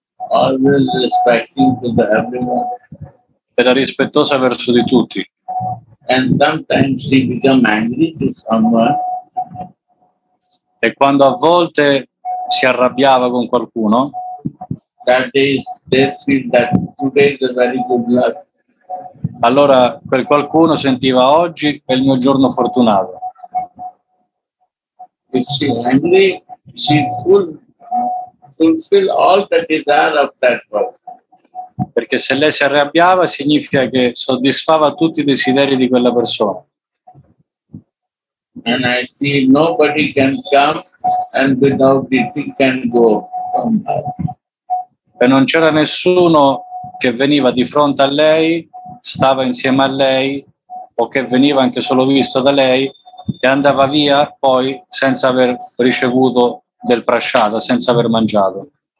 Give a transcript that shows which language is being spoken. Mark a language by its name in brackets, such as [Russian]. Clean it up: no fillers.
[English] Always respecting to everyone. [Italian] Era rispettosa verso di tutti. [English] And sometimes she become angry to someone. [Italian] E quando a volte si arrabbiava con qualcuno, [English] that is, they feel that today is a very good luck. [Italian] Allora quel qualcuno sentiva oggi è il mio giorno fortunato. [English] If she angry, she fulfill all the desire of that person. [Italian] Perché se lei si arrabbiava significa che soddisfava tutti i desideri di quella persona. [English] And I see nobody can come and without eating can go from her. [Italian] E non c'era nessuno che veniva di fronte a lei, stava insieme a lei, o che veniva anche solo visto da lei, e andava via poi senza aver ricevuto del prasciada, senza aver mangiato.